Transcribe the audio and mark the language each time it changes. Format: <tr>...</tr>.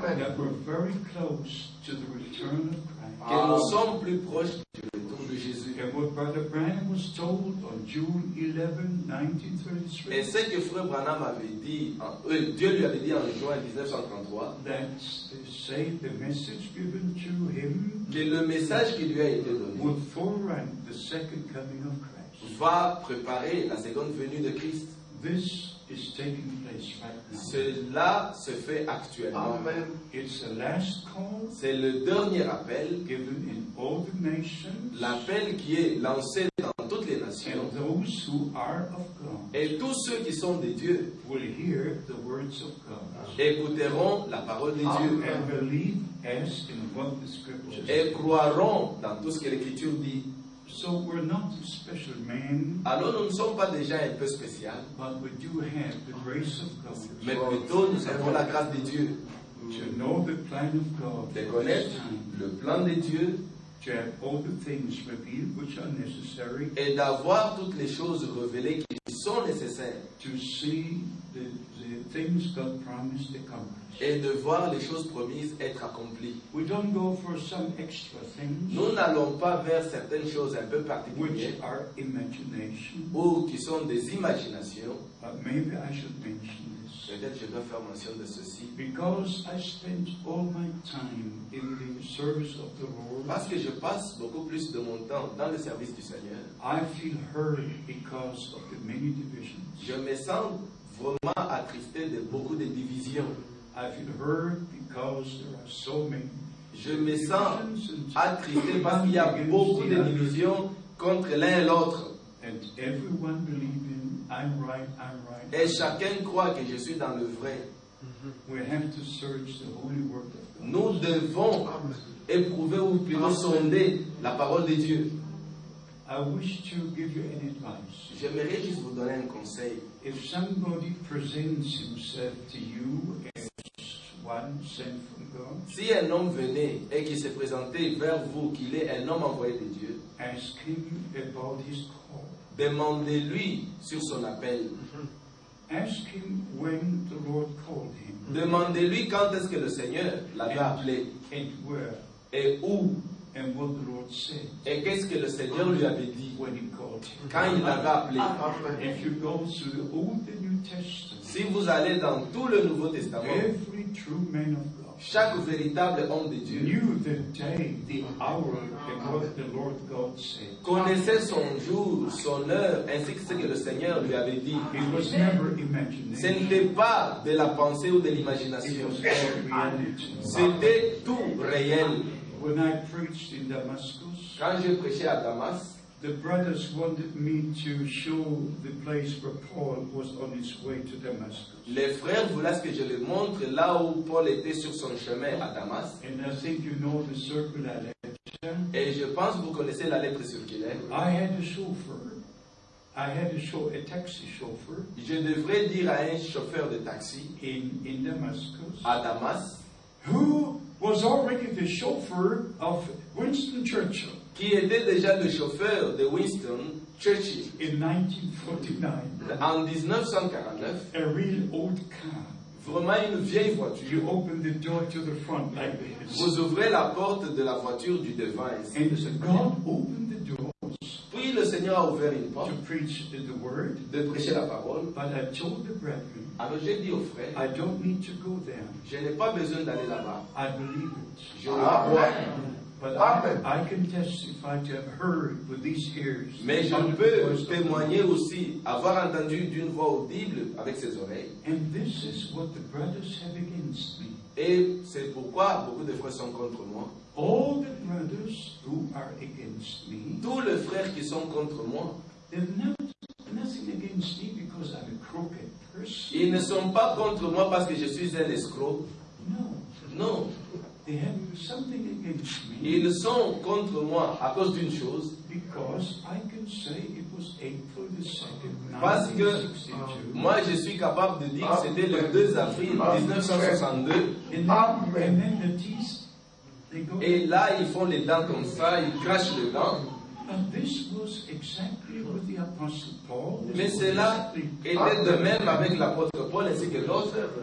<en>that we're very close to the return of Christ.</en> <fr>Que nous sommes plus proches du retour de Jésus. Que</fr> <en>and what Brother Branham was told on June 11, 1933, that's the same, the message given to him,</en> <fr>le message qui lui a été donné,</fr> <en>would forerun the second coming of Christ.</en> <fr>Va préparer la seconde venue de Christ.</fr> <en>This is taking place right now.</en> <fr>Cela se fait actuellement.</fr> <en>Amen. It's the last call.</en> <fr>C'est le dernier appel.</fr> <en>Given in all the nations.</en> <fr>L'appel qui est lancé dans toutes les nations.</fr> <en>And those who are of God.</en> <fr>Et tous ceux qui sont de Dieu.</fr> <en>Will hear the words of God.</en> <fr>Écouteront la parole de Dieu.</fr> <en>And believe as in what the scriptures.</en> <fr>Et croiront dans tout ce que l'Écriture dit.</fr> <en>So we're not a special man.</en> <fr>Alors nous ne sommes pas déjà un peu spécial.</fr> <en>But we do have the grace of God.</en> <fr>Mais plutôt nous avons la grâce de Dieu.</fr> <en>To know the plan of God.</en> <fr>De connaître le plan de Dieu.</fr> <en>To have all the things revealed which are necessary.</en> <fr>Et d'avoir toutes les choses révélées qui sont nécessaires.</fr> <en>To see the things God promised accomplished.</en> <fr>Et de voir les choses promises être accomplies.</fr> <en>We don't go for some extra things.</en> <fr>Nous n'allons pas vers certaines choses un peu particulières.</fr> <en>Which are imagination.</en> <fr>Ou qui sont des imaginations.</fr> <en>But maybe I should mention.</en> <fr>Peut-être je dois faire mention de ceci.</fr> <en>Because I spend all my time in the service of the Lord.</en> <fr>Parce que je passe beaucoup plus de mon temps dans le service du Seigneur.</fr> <en>I feel hurt because of the many divisions.</en> <fr>Je me sens vraiment attristé de beaucoup de divisions.</fr> <en>I feel hurt because there are so many.</en> <fr>Je me sens attristé parce qu'il y a beaucoup de divisions contre l'un et l'autre.</fr> <en>And everyone believes in I'm right.</en> <fr>Et chacun croit que je suis dans le vrai.</fr> <en>We have to search the holy word of God.</en> <fr>Nous devons éprouver ou plutôt sonder la parole de Dieu.</fr> <en>I wish to give you an advice.</en> <fr>J'aimerais juste vous donner un conseil.</fr> <en>If somebody presents himself to you as one sent from God,</en> <fr>si un homme venait et qu'il se présentait vers vous qu'il est un homme envoyé de Dieu,</fr> <en>ask him about his call.</en> <fr>Demandez-lui sur son appel.</fr> <en>Ask him when the Lord called him.</en> <fr>Demandez-lui quand est-ce que le Seigneur l'avait appelé.</fr> <en>And where.</en> <fr>Et où.</fr> <en>And what the Lord said.</en> <fr>Et qu'est-ce que le Seigneur lui avait dit</fr> <en>when he called him.</en> <fr>Quand il l'avait appelé.</fr> <en>If you go through all the New Testament,</en> <fr>si vous allez dans tout le Nouveau Testament,</fr> <en>every true man of God,</en> <fr>chaque véritable homme de Dieu</fr> <en>knew the day, the hour, and what the Lord God said.</en> <fr>Connaissait son jour, son heure, ainsi que ce que le Seigneur lui avait dit.</fr> <en>It was never imagination.</en> <fr>Ce n'était pas de la pensée ou de l'imagination. C'était tout réel.</fr> <en>When I preached in Damascus,</en> <fr>quand je prêchais à Damas,</fr> <en>the brothers wanted me to show the place where Paul was on his way to Damascus.</en> <fr>Les frères voulaient que je les montre là où Paul était sur son chemin à Damas.</fr> <en>And I think you know the circular letter.</en> <fr>Et je pense vous connaissez la lettre circulaire.</fr> <en>I had a chauffeur. I had to show a taxi chauffeur.</en> <fr>Je devrais dire à un chauffeur de taxi</fr> <en>in Damascus.</en> <fr>À Damas.</fr> <en>Who was already the chauffeur of Winston Churchill.</en> <fr>Qui était déjà le chauffeur de Winston Churchill.</fr> <en>In 1949.</en> <fr>En 1949.</fr> <en>A real old car.</en> <fr>Vraiment une vieille voiture.</fr> <en>You open the door to the front like this.</en> <fr>Vous ouvrez la porte de la voiture du devant.</fr> <en>And so God opened the doors.</en> <fr>Puis le Seigneur a ouvert une porte.</fr> <en>To preach the word.</en> <fr>De prêcher la parole.</fr> <en>But I told the brethren.</en> <fr>Alors j'ai dit aux frères.</fr> <en>I don't need to go there.</en> <fr>Je n'ai pas besoin d'aller là-bas.</fr> <en>I believe it.</en> <fr>Je le crois.</fr> <en>But I can testify to have heard with these ears.</en> <fr>Mais je peux témoigner aussi, avoir entendu d'une voix audible avec ses oreilles.</fr> <en>And this is what the brothers have against me.</en> <fr>Et c'est pourquoi beaucoup de frères sont contre moi.</fr> <en>All the brothers who are against me.</en> <fr>Tous les frères qui sont contre moi.</fr> <en>They're not nothing against me because I'm a crooked person.</en> <fr>Ils ne sont pas contre moi parce que je suis un escroc.</fr> <en>No.</en> <fr>Non.</fr> <en>They have something against me.</en> <fr>Ils sont contre moi à cause d'une chose.</fr> <en>Because I can say it was April the 2nd,</en> <fr>parce que moi je suis capable de dire que c'était le 2 avril 1962. Et là ils font les dents comme ça, ils crachent les dents.</fr> <en>And this was exactly what the Apostle Paul.</en> <fr>Mais cela était de même avec l'apôtre Paul ainsi que l'autre.</fr>